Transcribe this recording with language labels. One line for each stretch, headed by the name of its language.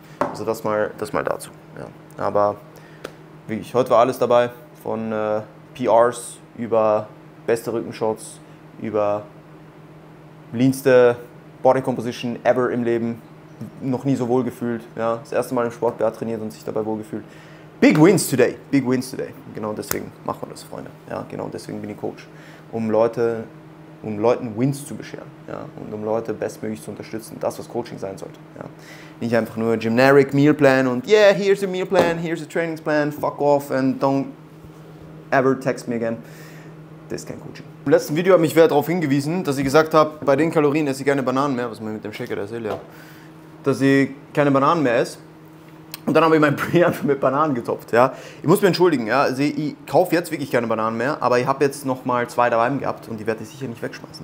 German: Also das mal dazu. Ja. Aber wie ich, heute war alles dabei, von PRs über beste Rückenshots, über leanste Body Composition ever im Leben, noch nie so wohl gefühlt, ja, das erste Mal im Sportbad trainiert und sich dabei wohl gefühlt.
English: Big wins today,
German: genau deswegen machen wir das, Freunde, ja, genau deswegen bin ich Coach, um Leute um Leuten Wins zu bescheren, ja, und um Leute bestmöglich zu unterstützen. Das, was Coaching sein sollte. Ja. Nicht einfach nur
English: generic meal plan und yeah, here's a meal plan, here's a training plan, fuck off and don't ever text me again.
German: Das ist kein Coaching. Im letzten Video hat mich wer darauf hingewiesen, dass ich gesagt habe, bei den Kalorien esse ich keine Bananen mehr, was man mit dem Shaker der Seele hat, dass ich keine Bananen mehr esse. Und dann habe ich mein Brie einfach mit Bananen getopft. Ja. Ich muss mich entschuldigen, ja. Also ich kaufe jetzt wirklich keine Bananen mehr, aber ich habe jetzt noch mal zwei daheim gehabt und die werde ich sicher nicht wegschmeißen.